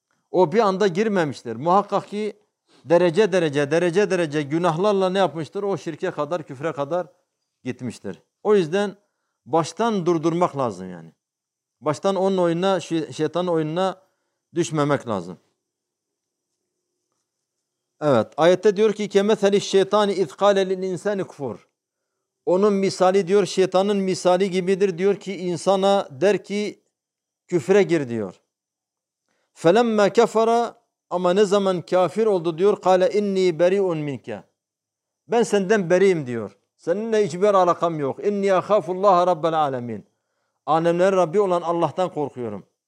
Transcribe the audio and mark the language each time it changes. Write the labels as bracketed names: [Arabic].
[Turkish] O bir anda girmemiştir. Muhakkak ki derece derece, derece derece günahlarla ne yapmıştır? O şirke kadar, küfre kadar gitmiştir. O yüzden baştan durdurmak lazım yani. Baştan onun oyununa, şeytanın oyununa düşmemek lazım. Evet, ayette diyor ki [Arabic] كَمَثَلِ الشَّيْطَانِ اِذْ قَالَ لِلْاِنْسَانِ كُفُرْ. [Turkish] Onun misali diyor, şeytanın misali gibidir diyor ki, insana der ki küfre gir diyor. [Arabic] فَلَمَّا كَفَرَ, [Turkish] ama ne zaman kafir oldu diyor, [Arabic] قَالَ اِنِّي بَرِيءٌ مِنْكَ, [Turkish] ben senden beriyim diyor. Seninle hiçbir alakam yok. [Arabic] اِنِّي أَخَافُ اللّٰهَ رَبَّ الْعَالَمِينَ, [Turkish] alemlerin Rabbi olan Allah'tan korkuyorum.